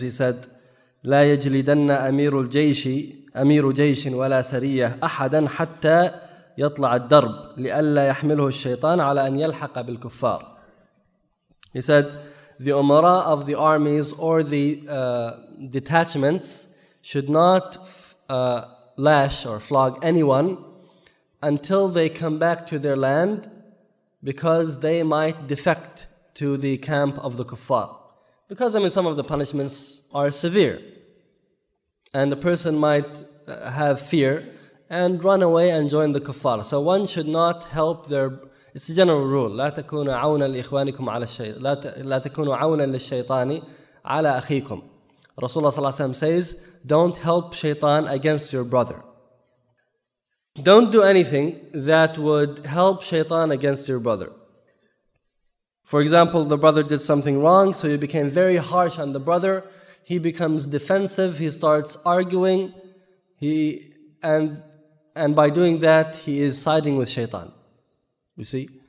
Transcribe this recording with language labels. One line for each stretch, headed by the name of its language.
English: He said,
Arabic: لا يجلدن أمير الجيش أمير جيش ولا سرية أحدا حتى يطلع الدرب لئلا يحمله الشيطان على أن يلحق بالكفار.
English: He said, the umara of the armies or the detachments should not lash or flog anyone until they come back to their land because they might defect to the camp of the kuffar. Because, I mean, some of the punishments are severe, and a person might have fear and run away and join the kuffar. So one should not help their... It's a general rule.
Arabic: لا تكونوا عونا لإخوانكم على الشيء. لا تكونوا عونا للشيطان على أخيكم.
English: Rasulullah صلى الله عليه وسلم says, don't help shaitan against your brother. Don't do anything that would help shaitan against your brother. For example, the brother did something wrong, so you became very harsh on the brother. He becomes defensive, he starts arguing, and by doing that, he is siding with shaitan. You see?